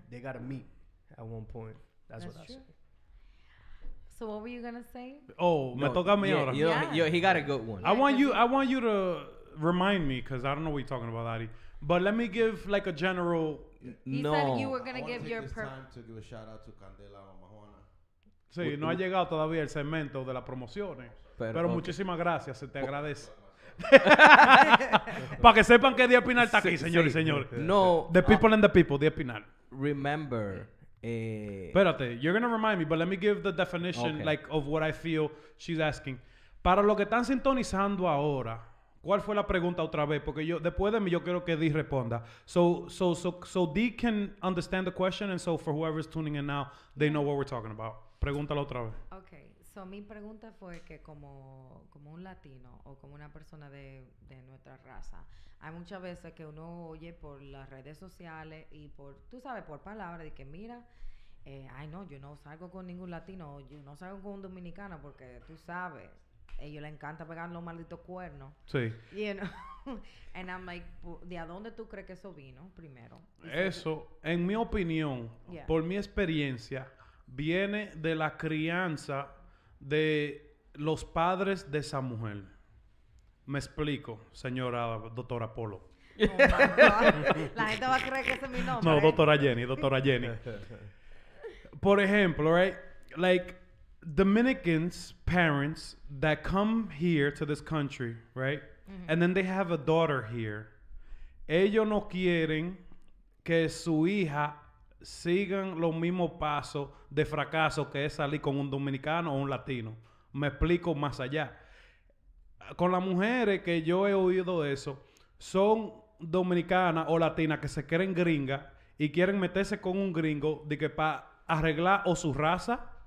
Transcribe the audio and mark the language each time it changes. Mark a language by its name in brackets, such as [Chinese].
[English] They got to meet at one point. That's what I said. So what were you going to say? [Spanish] Oh, no, me toca a mí ahora. [English] Yeah. He got a good one. I want you to remind me, because I don't know what you're talking about, Adi. But let me give, like, a general... He said you were going to give your... time to give a shout-out to Candela Mahuana. [Spanish] Sí, no ha llegado todavía el segmento de las promociones. Pero okay. Muchísimas gracias, se te agradece. Para que sepan que Díaz Pinal está aquí, señores y señores. No. [English] The people and the people, Díaz Pinal. Remember... [Spanish] Espérate, [English] you're going to remind me, but let me give the definition, okay, like, of what I feel she's asking. [Spanish] Para los que están sintonizando ahora... ¿Cuál fue la pregunta otra vez? Porque yo después de mí yo quiero que Di responda. [English] So Di can understand the question, and so for whoever is tuning in now, they know what we're talking about. [Spanish] Pregúntalo otra vez. Okay. So mi pregunta fue que como un latino o como una persona de nuestra raza, hay muchas veces que uno oye por las redes sociales y por, tú sabes, por palabras, de que mira, ay no, yo no salgo con ningún latino, yo no salgo con un dominicano porque tú sabes, ellos le encanta pegar los malditos cuernos. Sí. [English] You know? And I'm like, [Spanish] ¿de dónde tú crees que eso vino primero? Eso, en mi opinión, yeah, por mi experiencia, viene de la crianza de los padres de esa mujer. Me explico, señora doctora Polo. Oh my God. La gente va a creer que ese es mi nombre. No, doctora Jenny. Por ejemplo, right? [English] Like, Dominicans parents that come here to this country, right? Mm-hmm. And then they have a daughter here. [Spanish] Ellos no quieren que su hija sigan los mismos pasos de fracaso que es salir con un dominicano o un latino. Me explico más allá. Con las mujeres que yo he oído eso, son dominicanas o latinas que se quieren gringa y quieren meterse con un gringo de que para arreglar o su raza.